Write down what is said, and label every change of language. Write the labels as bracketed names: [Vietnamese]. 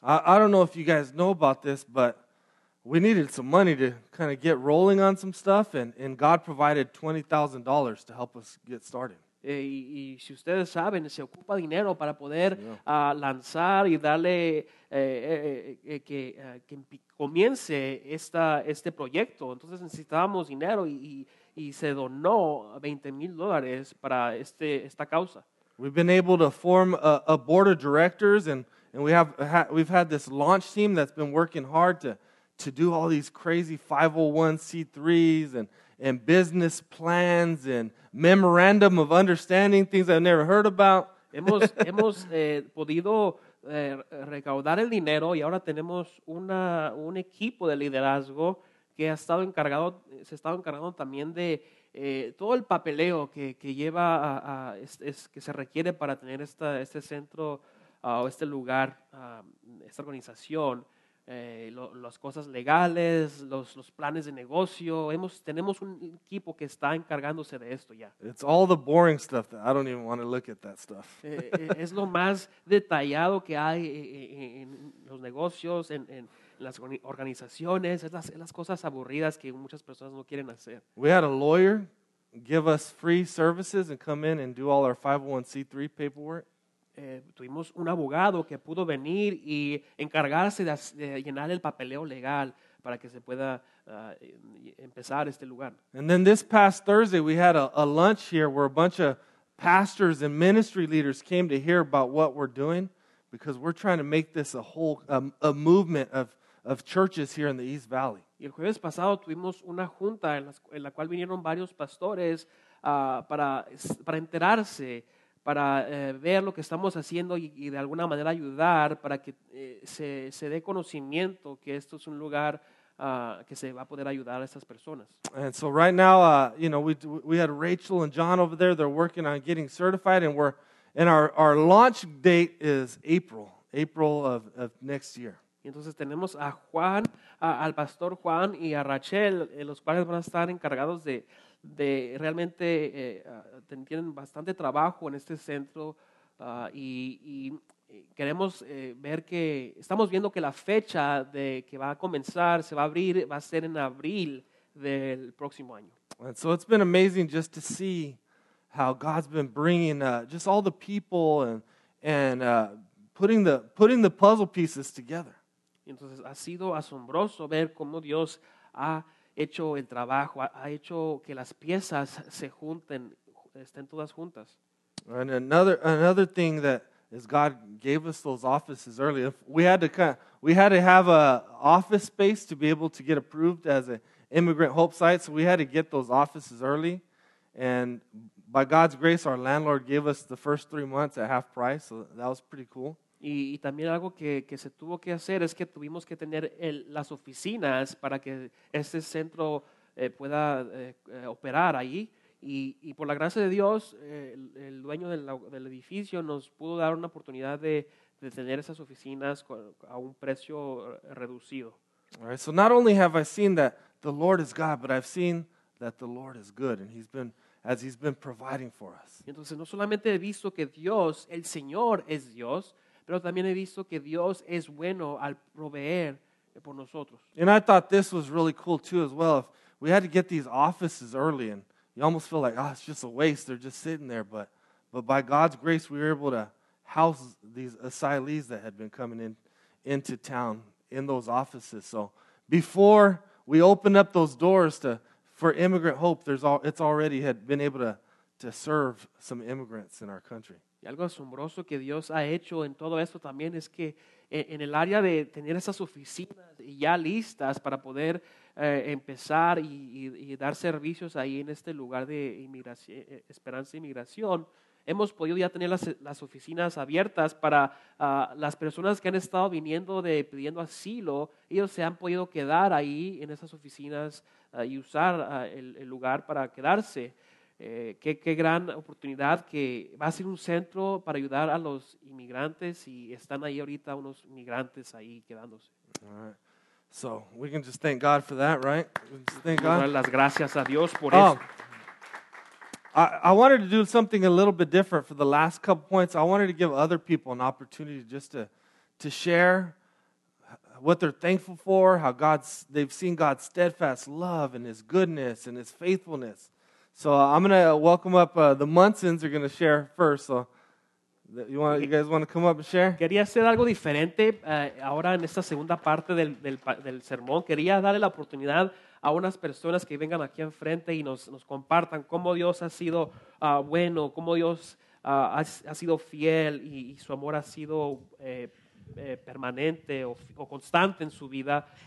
[English] I don't know if you guys know about this, but we needed some money to kind of get rolling on some stuff, and God provided $20,000 to help us get started. [Spanish] Y si ustedes saben, se ocupa dinero para poder lanzar y darle que comience este proyecto. Entonces necesitábamos dinero y se donó $20,000 para esta causa. [English] We've been able to form a board of directors, and we've had this launch team that's been working hard to do all these crazy 501c3s and business plans and memorandum of understanding, things I've never heard about. [Spanish] hemos podido recaudar el dinero, y ahora tenemos un equipo de liderazgo que se ha estado encargando también de todo el papeleo que lleva que se requiere para tener este centro o este lugar, esta organización. Las cosas legales, los planes de negocio. Tenemos un equipo que está encargándose de esto ya. [English] It's all the boring stuff that I don't even want to look at that stuff. [Spanish] Es lo más detallado que hay en los negocios, en las organizaciones. Es las cosas aburridas que muchas personas no quieren hacer. [English] We had a lawyer give us free services and come in and do all our 501c3 paperwork. [Spanish] Tuvimos un abogado que pudo venir y encargarse de llenar el papeleo legal para que se pueda empezar este lugar. [English] And then this past Thursday we had a lunch here where a bunch of pastors and ministry leaders came to hear about what we're doing, because we're trying to make this a movement of churches here in the East Valley. [Spanish] Y el jueves pasado tuvimos una junta en la cual vinieron varios pastores para enterarse, para ver lo que estamos haciendo y de alguna manera ayudar para que se dé conocimiento que esto es un lugar que se va a poder ayudar a estas personas. [English] And so right now, you know, we had Rachel and John over there. They're working on getting certified, and our launch date is April of next year. [Spanish] Entonces tenemos a Juan, al Pastor Juan y a Rachel, los cuales van a estar encargados de realmente tienen bastante trabajo en este centro, y queremos ver que estamos viendo que la fecha de que va a comenzar, se va a abrir, va a ser en abril del próximo año. [English] And so it's been amazing just to see how God's been bringing just all the people and putting the puzzle pieces together. [Spanish] Entonces ha sido asombroso ver cómo Dios ha hecho el trabajo, ha hecho que las piezas se junten, estén todas juntas. [English] And another thing that is, God gave us those offices early. We had to have a office space to be able to get approved as an Immigrant Hope site, so we had to get those offices early. And by God's grace, our landlord gave us the first 3 months at half price, so that was pretty cool. [Spanish] Y también algo que se tuvo que hacer es que tuvimos que tener las oficinas para que este centro pueda operar ahí. Y por la gracia de Dios, el dueño del edificio nos pudo dar una oportunidad de tener esas oficinas a un precio reducido. [English] All right, so not only have I seen that the Lord is God, but I've seen that the Lord is good, and he's been providing for us. [Spanish] Entonces, no solamente he visto que Dios, el Señor, es Dios, pero también he visto que Dios es bueno al proveer por nosotros. [English] And I thought this was really cool too as well. If we had to get these offices early, and You almost feel like, oh, it's just a waste. They're just sitting there. But by God's grace, we were able to house these asylees that had been coming in into town in those offices. So before we opened up those doors to for Immigrant Hope, it's already had been able to serve some immigrants in our country. [Spanish] Y algo asombroso que Dios ha hecho en todo esto también es que en el área de tener esas oficinas ya listas para poder empezar y dar servicios ahí en este lugar de Esperanza Inmigración, hemos podido ya tener las oficinas abiertas para las personas que han estado viniendo pidiendo asilo, ellos se han podido quedar ahí en esas oficinas y usar el lugar para quedarse. Qué gran oportunidad que va a ser un centro para ayudar a los inmigrantes y están ahí ahorita unos inmigrantes ahí quedándose. [English] All right. So we can just thank God for that, right? Just thank God. [Spanish] Las gracias a Dios por eso. [English] I wanted to do something a little bit different for the last couple points. I wanted to give other people an opportunity just to share what they're thankful for, how they've seen God's steadfast love and His goodness and His faithfulness. So I'm going to welcome up the Munsons are going to share first. So you guys want to come up and share? [Spanish] Quería hacer algo diferente ahora en esta segunda parte del sermón. Quería darle la oportunidad a unas personas que vengan aquí enfrente y nos compartan cómo Dios ha sido bueno, cómo Dios ha sido fiel y su amor ha sido permanente o constante en su vida.